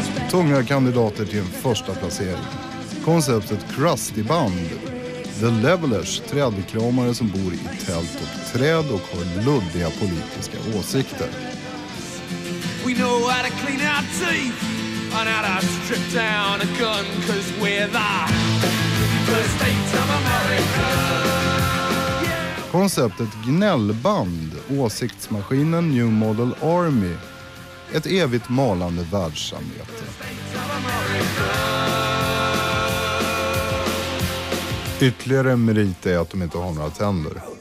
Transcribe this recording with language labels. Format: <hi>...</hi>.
<sv>Tunga kandidater till en första placering. Konceptet Krusty Band. The Levelers, trädkramare som bor i tält och träd och har luddiga politiska åsikter.</sv> <en>We know how to clean our teeth and how to strip down a gun, 'cause we're the first states of America.</en> <sv>Konceptet Gnällband, åsiktsmaskinen New Model Army, ett evigt malande världssamvete. Ytterligare merit är att de inte har några tänder.</sv>